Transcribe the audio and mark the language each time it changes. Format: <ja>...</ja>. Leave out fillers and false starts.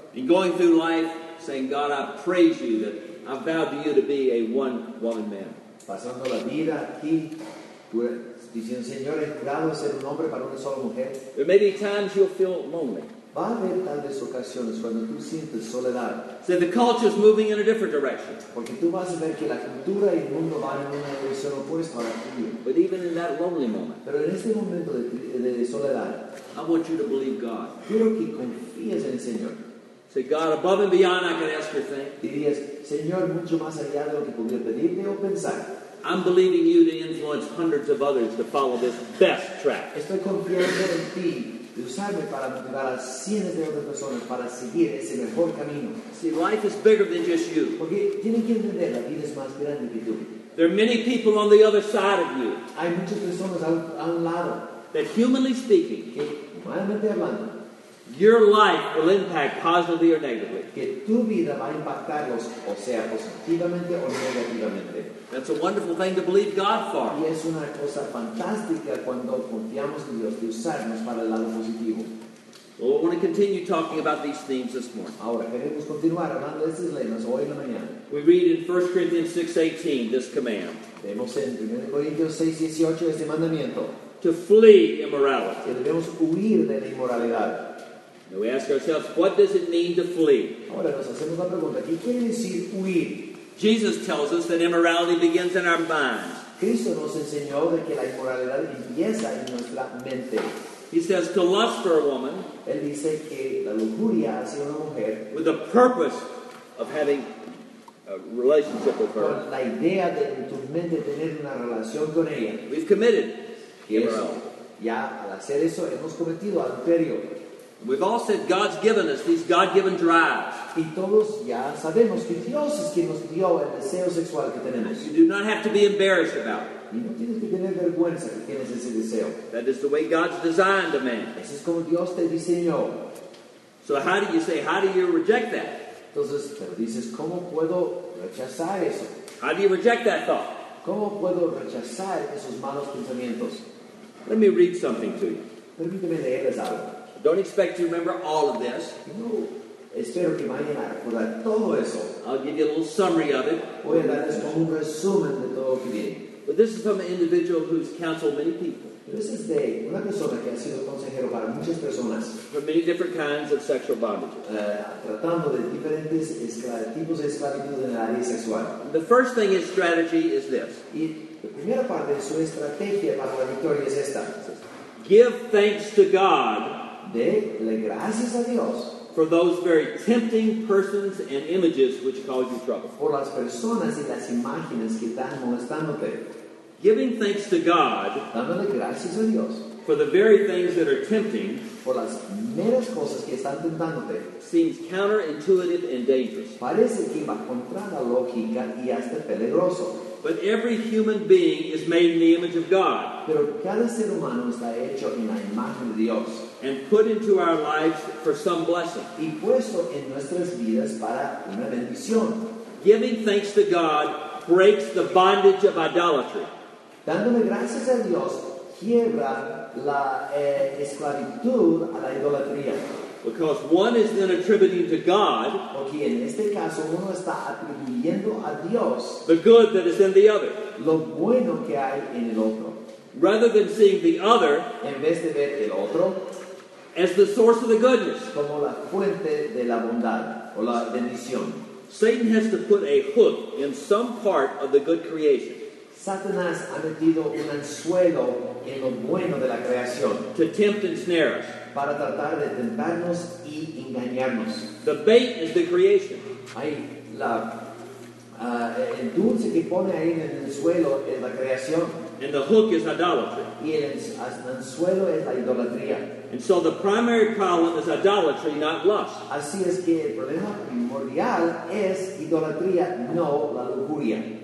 <en>And going through life saying, God, I praise you that I vow to you to be a one-woman man.</en> <es>Pasando la vida aquí, diciendo, Señor, he jurado ser un hombre para una sola mujer.</es> <en>There may be times you'll feel lonely.</en> <es>Va a haber tales ocasiones cuando tú sientes soledad.</es> <en>So the culture is moving in a different direction.</en> <es>Porque tú vas a ver que la cultura y el mundo van en una dirección opuesta a ti.</es> <en>But even in that lonely moment.</en> <es>Pero en ese momento de soledad.</es> <en>I want you to believe God.</en> <es>Quiero que confíes en el Señor.</es> <en>Say, God, above and beyond, I can ask your thing.</en> <es>Dirías, Señor, mucho más allá de lo que podía pedirte o pensar.</es> <en>I'm believing you to influence hundreds of others to follow this best track.</en> <es>Estoy confiando en ti de usarme para motivar a cientos de otras personas para seguir ese mejor camino.</es> <en>See, life is bigger than just you.</en> <es>Porque tienen que entender, la vida es más grande que tú.</es> <en>There are many people on the other side of you.</en> <es>Hay muchas personas al lado.</es> <en>That humanly speaking,</en> <es>que humanamente hablando,</es> <en>your life will impact positively or negatively.</en> <es>Que tu vida va a impactarlos, o sea, positivamente o negativamente.</es> <en>That's a wonderful thing to believe God for.</en> <es>Y es una cosa fantástica cuando confiamos en Dios de usarnos para el lado positivo.</es> <en>Well, we want to continue talking about these themes this morning.</en> <es>Ahora, queremos continuar hablando de estos temas hoy en la mañana.</es> <en>We read in 1 Corinthians 6:18 this command.</en> <es>Vemos en 1 Corintios 6:18 este mandamiento.</es> <en>To flee immorality.</en> <es>Y debemos huir de la inmoralidad.</es> <en>Now we ask ourselves, what does it mean to flee?</en> <es>Ahora nos hacemos la pregunta, ¿qué quiere decir huir?</es> <en>Jesus tells us that immorality begins in our mind.</en> <es>Cristo nos enseñó de que la inmoralidad empieza en nuestra mente.</es> <en>He says to lust for a woman.</en> <es>Él dice que la lujuria hacia una mujer.</es> <en>With the purpose of having a relationship with her.</en> <es>Con la idea de en tu mente tener una relación con ella.</es> <en>We've committed immorality.</en> <es>Ya al hacer eso hemos cometido adulterio.</es> <en>We've all said God's given us these God-given drives.</en> <es>Y todos ya sabemos que Dios es quien nos dio el deseo sexual que tenemos.</es> <en>You do not have to be embarrassed about it.</en> <es>Y no tienes que tener vergüenza que tienes ese deseo.</es> <en>That is the way God's designed a man.</en> <es>Ese es como Dios te diseñó.</es> <en>So how do you say, how do you reject that?</en> <es>Entonces, pero dices, ¿cómo puedo rechazar eso?</es> <en>How do you reject that thought?</en> <es>¿Cómo puedo rechazar esos malos pensamientos?</es> <en>Let me read something to you.</en> <es>Permíteme leerles algo.</es> <en>Don't expect to remember all of this.</en> <es>No, espero que mañana pueda todo eso.</es> <en>I'll give you a little summary of it.</en> <es>Voy a darles como un resumen de todo lo que viene.</es> <en>But this is from an individual who's counseled many people. This is</en> <es>de una persona que ha sido consejero para muchas personas.</es> <en>For many different kinds of sexual bondages.</en> <es>Tratando de diferentes tipos de esclavitud en el área sexual.</es> <en>The first thing is strategy is this.</en> <es>Y la primera parte de su estrategia para la victoria es esta.</es> <en>Give thanks to God.</en> <es>Dele gracias a Dios</es> <en>for those very tempting persons and images which cause you trouble.</en> <es>Por las personas y las imágenes que están molestándote.</es> <en>Giving thanks to God,</en> <es>dándole gracias a Dios</es> <en>for the very things that are tempting,</en> <es>por las meras cosas que están tentándote,</es> <en>seems counterintuitive and dangerous.</en> <es>Parece que va contra la lógica y hasta peligroso.</es> <en>But every human being is made in the image of God.</en> <es>Pero cada ser humano está hecho en la imagen de Dios.</es> <en>And put into our lives for some blessing.</en> <es>Y puesto en nuestras vidas para una bendición.</es> <en>Giving thanks to God breaks the bondage of idolatry.</en> <es>Dándole gracias a Dios quiebra la esclavitud a la idolatría.</es> <en>Because one is then attributing to God,</en> <es>porque en este caso uno está atribuyendo a Dios,</es> <en>the good that is in the other,</en> <es>lo bueno que hay en el otro,</es> <en>rather than seeing the other,</en> <es>en vez de ver el otro,</es> <en>as the source of the goodness,</en> <es>como la fuente de la bondad o la bendición.</es> <en>Satan has to put a hook in some part of the good creation.</en> <es>Satanás ha metido un anzuelo en lo bueno de la creación.</es> <en>To tempt and snare us.</en> <es>Para tratar de tentarnos y engañarnos.</es> <en>The bait is the creation.</en> <es>Ahí, el dulce que pone ahí en el anzuelo es la creación.</es> <en>And the hook is idolatry.</en> <es>Y el anzuelo es la idolatría.</es> <en>And so the primary problem is idolatry, not lust.</en> <es>Así es que el problema primordial es idolatría, no la lujuria.</es>